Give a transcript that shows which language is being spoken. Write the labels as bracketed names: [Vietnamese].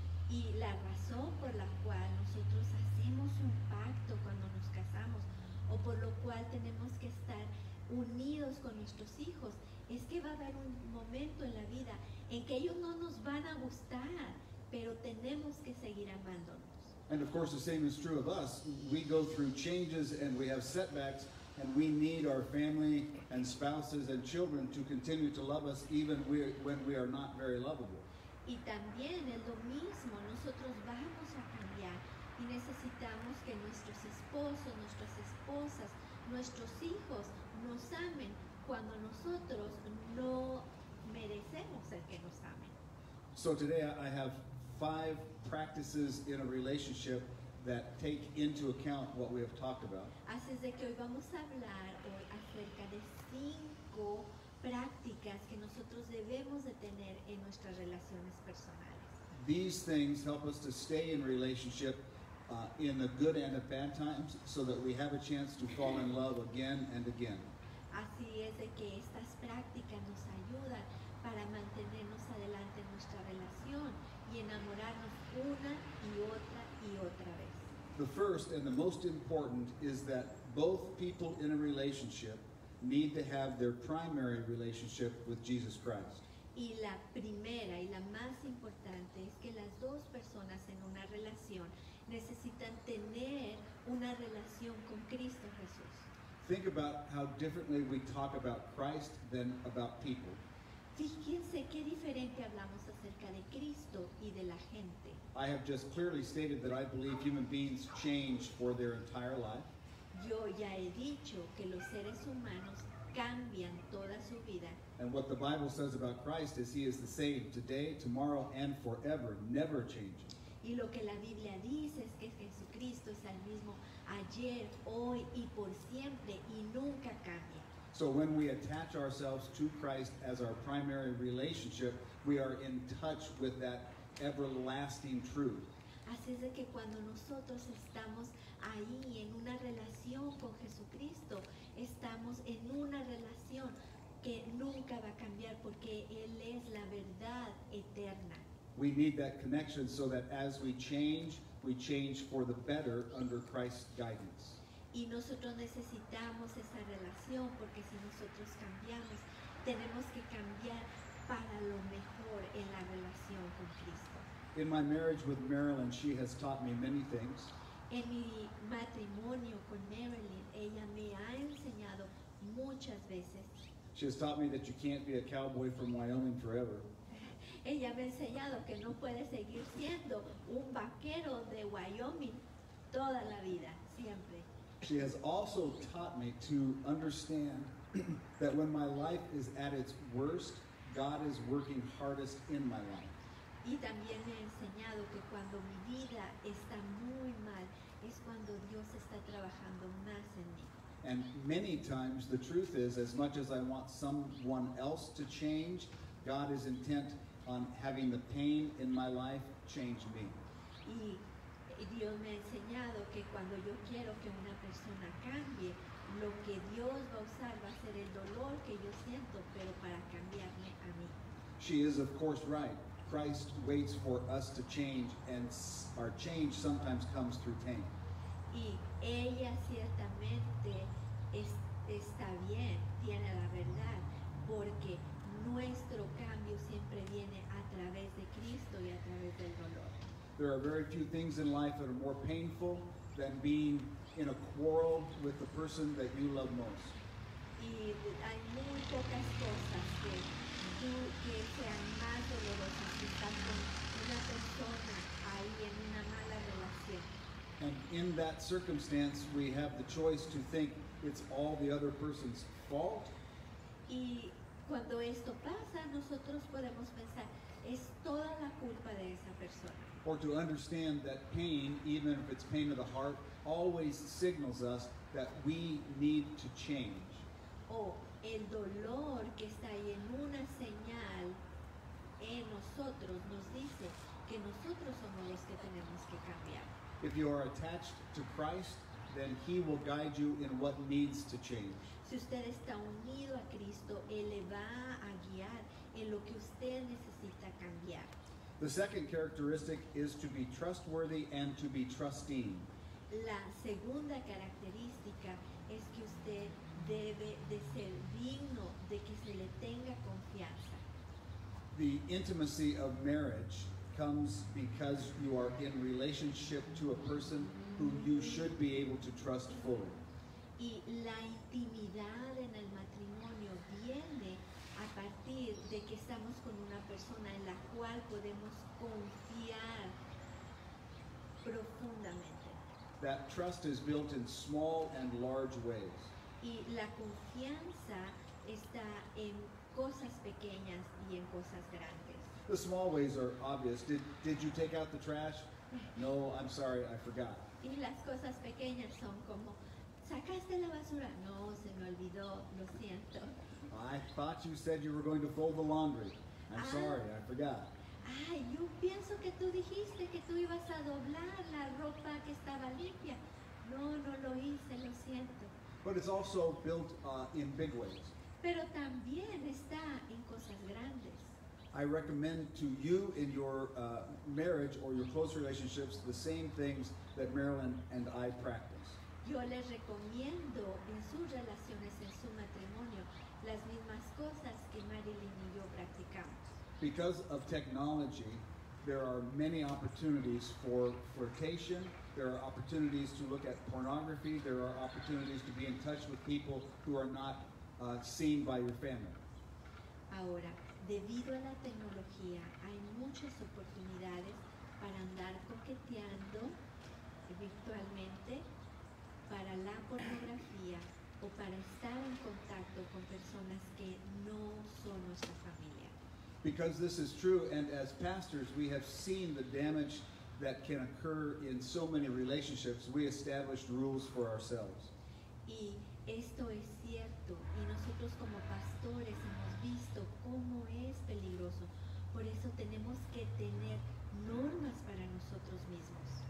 [Spanish] Y la razón por la cual nosotros hacemos un pacto cuando nos casamos o por lo cual tenemos que estar unidos con nuestros hijos es que va a haber un momento en la vida en que ellos no nos van a gustar. Pero tenemos que seguir amándonos. [English] And of course the same is true of us. We go through changes and we have setbacks and we need our family and spouses and children to continue to love us even when we are not very lovable. [Spanish] Y también es lo mismo. Nosotros vamos a cambiar y necesitamos que nuestros esposos, nuestras esposas, nuestros hijos nos amen cuando nosotros no merecemos el que nos amen. [English] So today I have 5 practices in a relationship that take into account what we have talked about. [Spanish] Así es de que hoy vamos a hablar hoy acerca de 5 prácticas que nosotros debemos de tener en nuestras relaciones personales. [English] These things help us to stay in relationship in the good and the bad times so that we have a chance to fall in love again and again. [Spanish] Así es de que estas prácticas nos ayudan para mantenernos adelante en nuestra relación y enamorarnos una y otra vez. [English] The first and the most important is that both people in a relationship need to have their primary relationship with Jesus Christ. [Spanish] Y la primera y la más importante es que las dos personas en una relación necesitan tener una relación con Cristo Jesús. [English] Think about how differently we talk about Christ than about people. [Spanish] Fíjense qué diferente hablamos acerca de Cristo y de la gente. [English] I have just clearly stated that I believe human beings change for their entire life. [Spanish] Yo ya he dicho que los seres humanos cambian toda su vida. [English] And what the Bible says about Christ is he is the same today, tomorrow, and forever, never changing. [Spanish] Y lo que la Biblia dice es que Jesucristo es el mismo ayer, hoy, y por siempre, y nunca cambia. [English] So when we attach ourselves to Christ as our primary relationship, we are in touch with that everlasting truth. [Spanish] Así es de que cuando nosotros estamos ahí en una relación con Jesucristo, estamos en una relación que nunca va a cambiar porque Él es la verdad eterna. [English] We need that connection so that as we change for the better under Christ's guidance. [Spanish] Y nosotros necesitamos esa relación porque si nosotros cambiamos, tenemos que cambiar para lo mejor en la relación con Cristo. [English] In my marriage with Marilyn, she has taught me many things. [Spanish] En mi matrimonio con Marilyn, ella me ha enseñado muchas veces. [English] She has taught me that you can't be a cowboy from Wyoming forever. [Spanish] Ella me ha enseñado que no puede seguir siendo un vaquero de Wyoming toda la vida, siempre. [English] She has also taught me to understand that when my life is at its worst, God is working hardest in my life. [Spanish] Y también me ha enseñado que cuando mi vida está muy mal, es cuando Dios está trabajando más en mí. [English] And many times the truth is, as much as I want someone else to change, God is intent on having the pain in my life change me. [Spanish] Y Dios me ha enseñado que cuando yo quiero que una persona cambie, lo que Dios va a usar va a ser el dolor que yo siento, pero para cambiarme a mí. [English] She is of course right. Christ waits for us to change, and our change sometimes comes through pain. [Spanish] Y ella ciertamente está bien, tiene la verdad, porque nuestro cambio siempre viene a través de Cristo y a través del dolor. [English] There are very few things in life that are more painful than being in a quarrel with the person that you love most. [Spanish] Y hay muy pocas cosas que tú que sean más dolorosas si estás con una persona ahí en una mala relación. [English] And in that circumstance, we have the choice to think it's all the other person's fault. [Spanish] Y cuando esto pasa, nosotros podemos pensar, es toda la culpa de esa persona. [English] Or to understand that pain, even if it's pain of the heart, always signals us that we need to change. [Spanish] O el dolor que está ahí en una señal en nosotros nos dice que nosotros somos los que tenemos que cambiar. [English] If you are attached to Christ, then He will guide you in what needs to change. [Spanish] Si usted está unido a Cristo, Él le va a guiar en lo que usted necesita cambiar. [English] The second characteristic is to be trustworthy and to be trusting. [Spanish] La segunda característica es que usted debe de ser digno de que se le tenga confianza. [English] The intimacy of marriage comes because you are in relationship to a person who you should be able to trust fully. [Spanish] Y la intimidad en el matrimonio viene a partir de que estamos con una persona en la cual podemos confiar profundamente. [English] That trust is built in small and large ways. [Spanish] Y la confianza está en cosas pequeñas y en cosas grandes. [English] The small ways are obvious. Did you take out the trash? No, I'm sorry, I forgot. [Spanish] Y las cosas pequeñas son como, ¿sacaste la basura? No, se me olvidó, lo siento. [English] I thought you said you were going to fold the laundry. I'm sorry, I forgot. [Spanish] Ay, yo pienso que tú dijiste que tú ibas a doblar la ropa que estaba limpia. No, no lo hice, lo siento. [English] But it's also built in big ways. [Spanish] Pero también está en cosas grandes. [English] I recommend to you in your marriage or your close relationships the same things that Marilyn and I practice. [Spanish] Yo les recomiendo en sus relaciones, en su matrimonio, las mismas cosas que Marilyn y yo practicamos. [English] Because of technology, there are many opportunities for flirtation, there are opportunities to look at pornography, there are opportunities to be in touch with people who are not seen by your family. [Spanish] Ahora, debido a la tecnología, hay muchas oportunidades para andar coqueteando virtualmente, para la pornografía o para estar en contacto con personas que no son nuestra familia. [English] Because this is true, and as pastors, we have seen the damage that can occur in so many relationships, we established rules for ourselves. [Spanish] Y esto es cierto, y nosotros como pastores hemos visto cómo es peligroso. Por eso tenemos que tener normas para nosotros mismos.